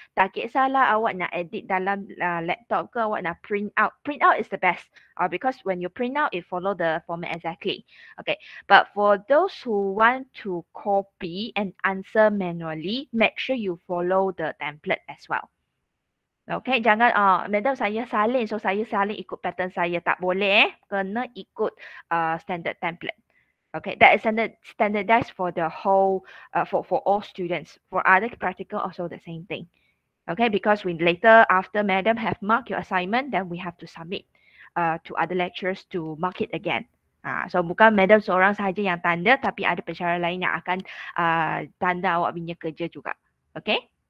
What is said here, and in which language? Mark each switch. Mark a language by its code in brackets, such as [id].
[ms] Tak kisahlah awak nak edit dalam laptop ke, awak nak print out. [en] Print out is the best. Because when you print out, it follow the format exactly. Okay, but for those who want to copy and answer manually, make sure you follow the template as well. [ms] Okay, jangan, madam saya salin, so saya salin ikut pattern saya. Tak boleh kena ikut standard template. [en] Okay, that is standardized for the whole, for all students. For other practical, also the same thing. Okay, because we later, after madam have marked your assignment, then we have to submit to other lecturers to mark it again. [ms] So bukan madam seorang sahaja yang tanda, tapi ada pensyarah lain yang akan tanda awak punya kerja juga. Okay?